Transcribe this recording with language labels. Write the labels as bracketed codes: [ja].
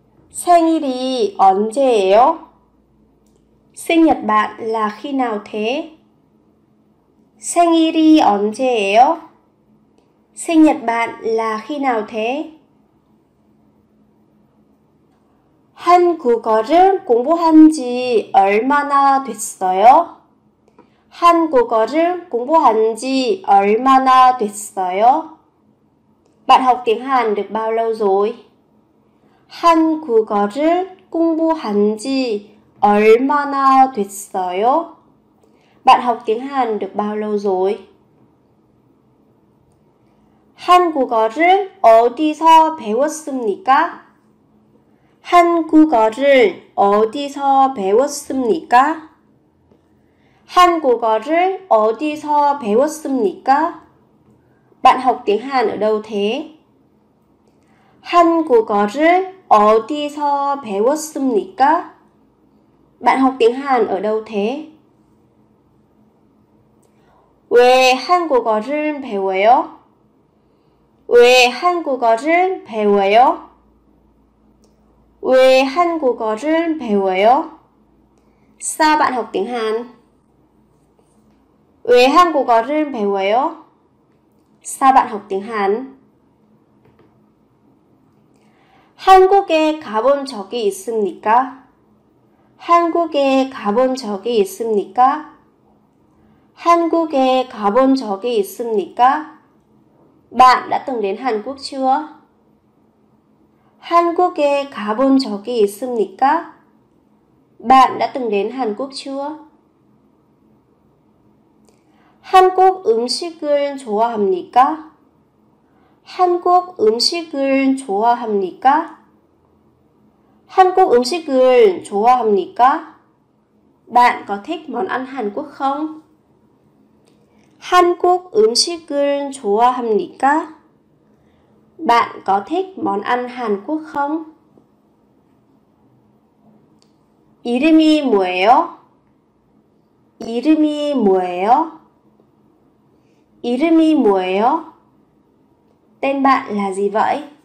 [ko] 생일이 언제예요? 생일 [vi] bạn là khi nào thế? [ko] 생일이 언제예요? 생일 [vi] bạn là khi nào thế? [ko] 한국어를 공부한 지 얼마나 됐어요? 한국어를 공부한 지 얼마나 됐어요? [vi] Bạn học tiếng Hàn được bao lâu rồi? [ko] 한국어를 공부한 지 얼마나 됐어요? [vi] Bạn học tiếng Hàn được bao lâu rồi? [ko] 한국어를 어디서 배웠습니까? 한국어를 어디서 배웠습니까? 한국어를 어디서 배웠습니까? [vi] Bạn học tiếng Hàn ở đâu thế? [ko] 한국어를 어디서 배웠습니까? [vi] Bạn học tiếng Hàn ở đâu thế? [ko] 왜 한국어를 배워요? 왜 한국어를 배워요? 왜 한국어를 배워요? [vi] Sao bạn học tiếng Hàn? [ko] 왜 한국어를 배워요? [vi] Sao bạn học tiếng Hàn? [ko] 한국에 가본 적이 있습니까? 한국에 가본 적이 있습니까? 한국에 가본 적이 있습니까? [vi] Bạn đã từng đến Hàn Quốc chưa? [ko] 한국에 가본 적이 있습니까? [vi] Bạn đã từng đến Hàn Quốc chưa? [ko] 한국 음식을 좋아합니까? 한국 음식을 좋아합니까? 한국 음식을 좋아합니까? [vi] Bạn có thích món ăn Hàn Quốc không? [ko] 한국 음식을 좋아합니까? [vi] Bạn có thích món ăn Hàn Quốc không? [ko] 이름이 뭐예요? 이름이 뭐예요? 이름이 뭐예요? [vi] Tên bạn là gì vậy?